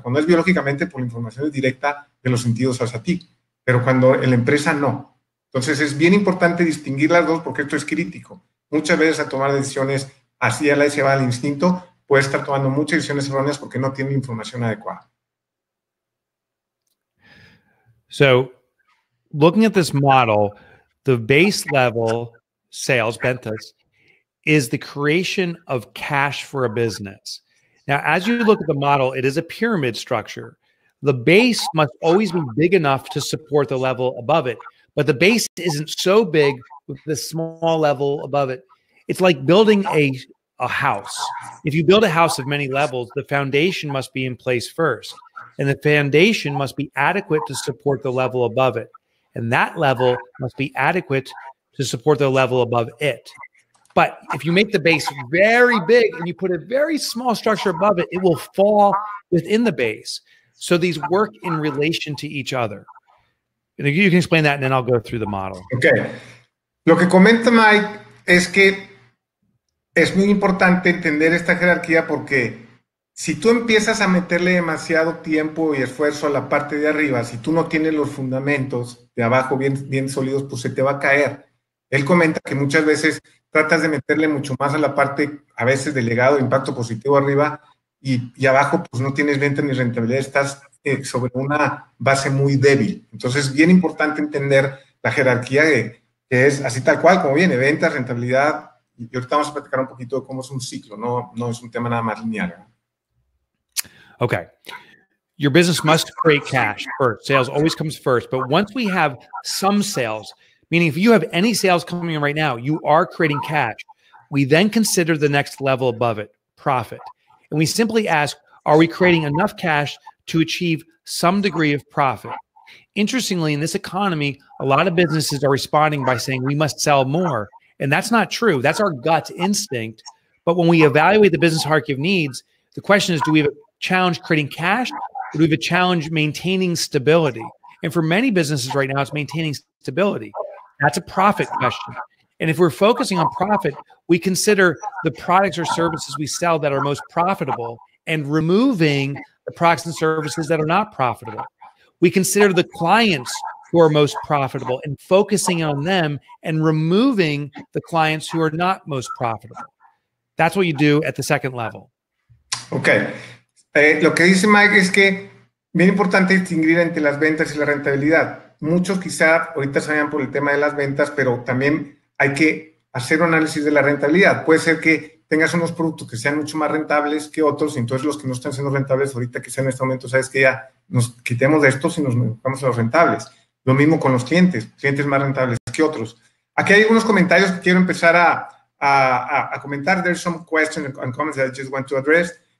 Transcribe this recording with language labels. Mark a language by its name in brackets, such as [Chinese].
[Spanish] Cuando es biológicamente, pues la información es directa de los sentidos hacia ti. Pero cuando en la empresa, no. Entonces, es bien importante distinguir las dos porque esto es crítico. Muchas veces al tomar decisiones así a la vez se va al instinto, puede estar tomando muchas decisiones erróneas porque no tiene la información adecuada. [English] So looking at this model, the base level sales, ventas, is the creation of cash for a business. Now, as you look at the model, it is a pyramid structure. The base must always be big enough to support the level above it, but the base isn't so big with the small level above it. It's like building a house. If you build a house of many levels, the foundation must be in place first, and the foundation must be adequate to support the level above it, and that level must be adequate to support the level above it. But if you make the base very big and you put a very small structure above it, it will fall within the base. So these work in relation to each other. And you can explain that, and then I'll go through the model. Okay. [Spanish] Lo que comenta Mike es que es muy importante entender esta jerarquía porque si tú empiezas a meterle demasiado tiempo y esfuerzo a la parte de arriba, si tú no tienes los fundamentos de abajo bien, bien sólidos, pues se te va a caer. Él comenta que muchas veces tratas de meterle mucho más a la parte, a veces del legado, impacto positivo arriba, y abajo pues no tienes venta ni rentabilidad, estás sobre una base muy débil. Entonces, bien importante entender la jerarquía que es así tal cual, como viene, ventas, rentabilidad, y ahorita vamos a platicar un poquito de cómo es un ciclo, no es un tema nada más lineal. [English] Okay. Your business must create cash first. Sales always comes first, but once we have some sales, meaning if you have any sales coming in right now, you are creating cash. We then consider the next level above it, profit. And we simply ask, are we creating enough cash to achieve some degree of profit? Interestingly, in this economy, a lot of businesses are responding by saying we must sell more. And that's not true. That's our gut instinct. But when we evaluate the business hierarchy of needs, the question is, do we have a challenge creating cash? Or do we have a challenge maintaining stability? And for many businesses right now, it's maintaining stability. That's a profit question. And if we're focusing on profit, we consider the products or services we sell that are most profitable and removing the products and services that are not profitable. We consider the clients who are most profitable and focusing on them and removing the clients who are not most profitable. That's what you do at the second level. Okay. [Spanish] Lo que dice Mike es que bien importante distinguir entre las ventas y la rentabilidad. Muchos quizá ahorita se vayan por el tema de las ventas, pero también hay que hacer un análisis de la rentabilidad. Puede ser que tengas unos productos que sean mucho más rentables que otros, y entonces los que no están siendo rentables ahorita, quizá en este momento, sabes que ya nos quitemos de estos y nos vamos a los rentables. Lo mismo con los clientes, clientes más rentables que otros. Aquí hay algunos comentarios que quiero empezar a comentar. [English] There's some questions and comments that I just want to address.